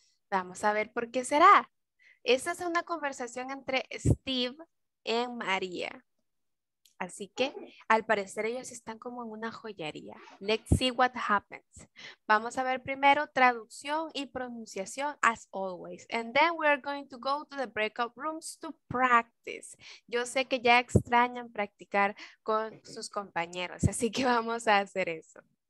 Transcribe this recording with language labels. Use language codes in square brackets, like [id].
[es] Vamos a ver por qué será. Esta es una conversación entre Steve y María. Así que, al parecer, ellos están como en una joyería. [en] Let's see what happens. [es] Vamos a ver primero traducción y pronunciación, [en] as always. And then we're going to go to the breakout rooms to practice. [es] Yo sé que ya extrañan practicar con sus compañeros, así que vamos a hacer eso.